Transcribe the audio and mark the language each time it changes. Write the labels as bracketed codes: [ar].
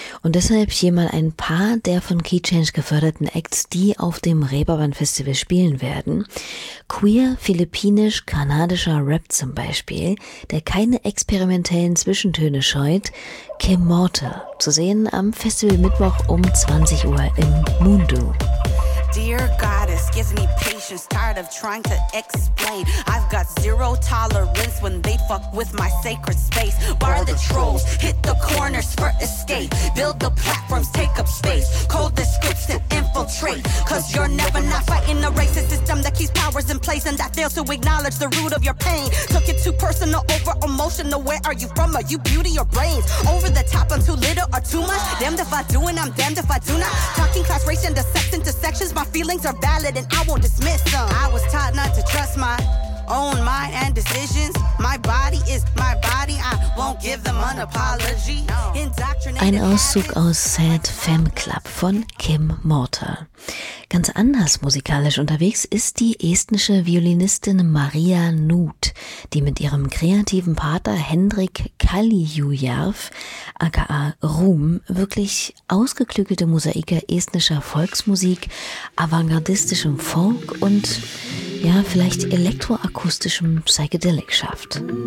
[de] Und deshalb hier mal ein paar der von Keychange geförderten Acts, die auf dem Reeperbahn-Festival spielen werden. Queer, philippinisch-kanadischer Rap zum Beispiel, der keine experimentellen Zwischentöne scheut. Kim Morta, zu sehen am Festival Mittwoch um 20 Uhr im Mundo. [en] Dear Goddess, give me patience, tired of trying to explain. I've got zero tolerance when they fuck with my sacred space. Bar the trolls, hit the corners for escape. Build the platforms, take up space. Cold the scripts to infiltrate. Cause you're never not fighting a racist system that keeps powers in place and that fails to acknowledge the root of your pain. Took it too personal, over emotional. Where are you from? Are you beauty or brains? Over the top, I'm too little or too much. Damned if I do and I'm damned if I do not. Talking class, race, and sex intersections. My feelings are valid and I won't dismiss them. I was taught not to trust my own mind and decisions. My body is my body. I won't give them an apology. [de] Ein Auszug aus Sad Femme Club von Kim Morta. Ganz anders musikalisch unterwegs ist die estnische Violinistin Maria Nuut, die mit ihrem kreativen Partner Hendrik Kaljujärv, aka Ruhm, wirklich ausgeklügelte Mosaike estnischer Volksmusik, avantgardistischem Folk und ja, vielleicht elektroakustischem Psychedelic schafft.